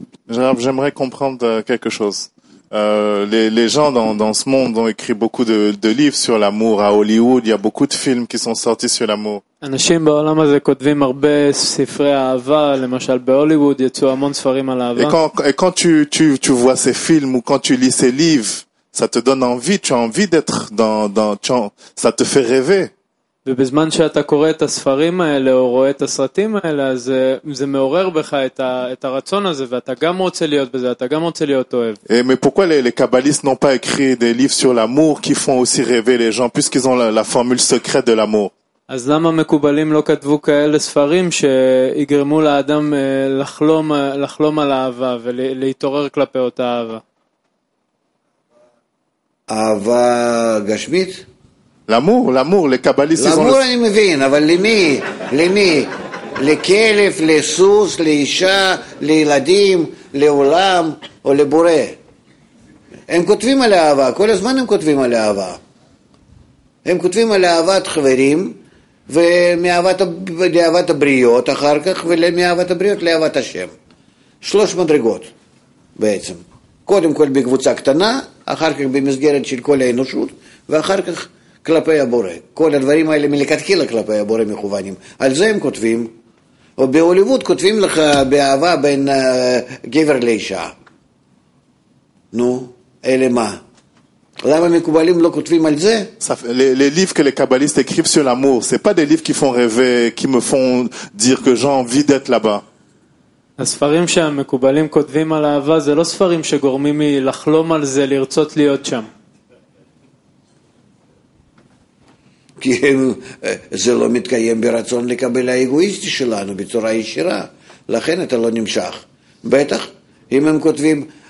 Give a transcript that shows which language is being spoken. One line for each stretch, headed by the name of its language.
French: רב, j'aimerais comprendre quelque chose. Les gens dans ce monde ont écrit beaucoup de livres sur l'amour à Hollywood. Il y a beaucoup de films qui sont sortis sur l'amour.
Hebrew: אנשים בעולם הזה כותבים הרבה ספרי אהבה, למשל בהוליווד יצאו המון ספרים על אהבה.
French: Et quand tu vois ces films ou quand tu lis ces livres, ça te donne envie, tu as envie d'être dans ça te fait rêver.
Hebrew: ובזמן שאתה קורא את הספרים האלה או רואה את הסרטים האלה, זה מעורר בך את הרצון הזה, ואתה גם רוצה להיות בזה, אתה גם רוצה להיות אוהב.
French: Mais pourquoi les kabbalistes n'ont pas écrit des livres sur l'amour qui font aussi rêver les gens puisqu'ils ont la formule secrète de l'amour?
Hebrew: אז למה מקובלים לא כתבו כאלה ספרים שיגרמו לאדם לחלום על אהבה ולהתעורר כלפי אותה אהבה? אהבה גשמית? למור, למור, לקבליסט. למור אני מבין, אבל למי? למי? לכלף, לסוס, לאישה, לילדים, לעולם או לבורא? הם כותבים על אהבה, כל הזמן הם כותבים על אהבה. הם כותבים על אהבת חברים, ומאהבת הבריות אחר כך, ומאהבת הבריות לאהבת השם. שלוש מדרגות בעצם. קודם כל בקבוצה קטנה, אחר כך במסגרת של כל האנושות, ואחר כך כלפי הבורא. כל הדברים האלה מלכתחילה כלפי הבורא מכוונים. על זה הם כותבים. או בהוליווד כותבים לך באהבה בין גבר לאישה. נו, אלה מה? למה מקובלים לא כותבים על זה?
French: Les livres que les kabbalistes écrivent sur l'amour, c'est pas des livres qui font rêver, qui me font dire que j'ai envie d'être là-bas.
Hebrew: הספרים שהמקובלים כותבים על אהבה זה לא ספרים שגורמים לי לחלום על זה, לרצות להיות שם. כי זה לא מתקיים ברצון לקבל האגואיסטי שלנו בצורה ישירה. לכן אתה לא נמשך. בטח, אם הם כותבים...